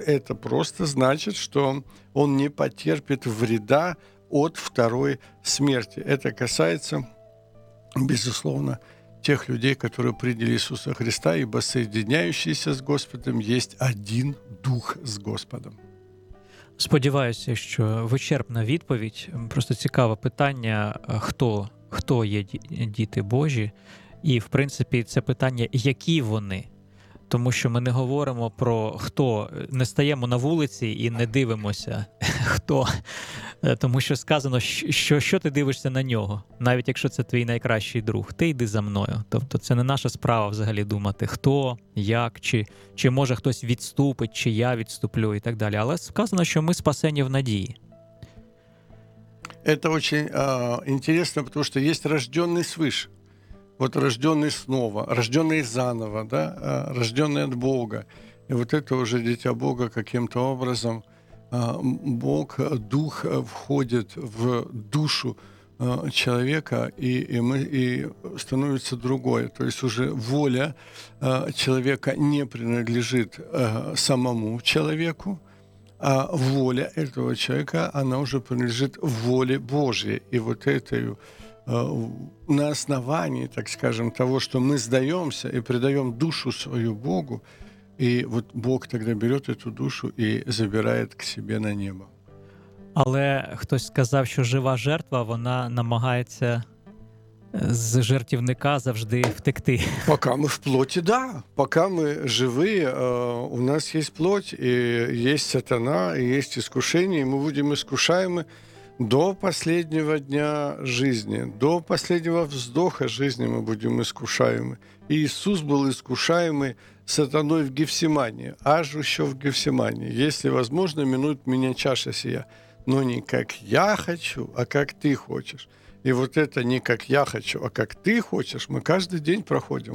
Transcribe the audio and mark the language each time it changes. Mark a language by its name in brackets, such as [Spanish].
[Russian] Это просто значит, что он не потерпит вреда от второй смерти. Это касается, безусловно, тех людей, которые приняли Иисуса Христа, ибо соединяющиеся с Господом есть один Дух с Господом. [Ukrainian] Сподіваюся, що вичерпна відповідь, просто цікаве питання, хто є діти Божі, і, в принципі, це питання, які вони. Тому що ми не говоримо про хто, не стаємо на вулиці і не дивимося, хто. Тому що сказано, що ти дивишся на нього, навіть якщо це твій найкращий друг. Ти йди за мною. Тобто це не наша справа взагалі думати, хто, як, чи може хтось відступить, чи я відступлю і так далі. Але сказано, що ми спасені в надії. Це дуже цікаво, тому що є рождений свише. [Russian] Вот рожденный снова, рожденный заново, да, рожденный от Бога. И вот это уже дитя Бога каким-то образом, Бог, Дух входит в душу человека, и становится другое. То есть уже воля человека не принадлежит самому человеку, а воля этого человека, она уже принадлежит воле Божьей. И вот этой на основании, так скажем, того, что мы сдаемся и предаем душу свою Богу, и вот Бог тогда берет эту душу и забирает к себе на небо. [Ukrainian] Але хтось сказав, що жива жертва, вона намагається з жертівника завжди втекти. [Russian] Пока мы [Ukrainian] в плоті, да. [Russian] Пока мы живы, [Ukrainian] у нас є плоть, і є сатана, і є іскушення, і ми будемо іскушаємо [Russian] до последнего дня жизни, до последнего вздоха жизни мы будем искушаемы. И Иисус был искушаемый сатаной в Гефсимании, аж еще в Гефсимании. Если возможно, минует меня чаша сия. Но не как я хочу, а как ты хочешь. И вот это не как я хочу, а как ты хочешь, мы каждый день проходим.